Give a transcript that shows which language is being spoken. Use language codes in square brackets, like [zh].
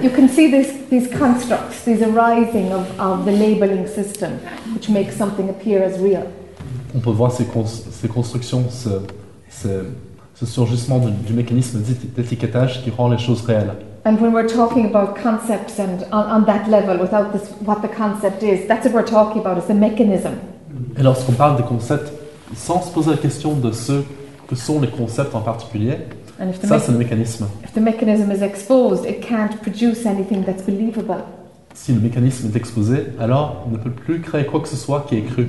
[en] You can see these constructs, these arising of the labeling system, which makes something appear as real. [fr] On peut voir ces constructions, ce surgissement du mécanisme d'étiquetage qui rend les choses réelles. [en] And when we're talking about concepts and on that level, without this, what the concept is, that's what we're talking about, is the mechanism. [fr] Et lorsqu'on parle des concepts, sans se poser la question de ce que sont les concepts en particulier, ça c'est le mécanisme. [en] If the mechanism is exposed, it can't produce anything that's believable. [fr] Si le mécanisme est exposé, alors on ne peut plus créer quoi que ce soit qui est cru.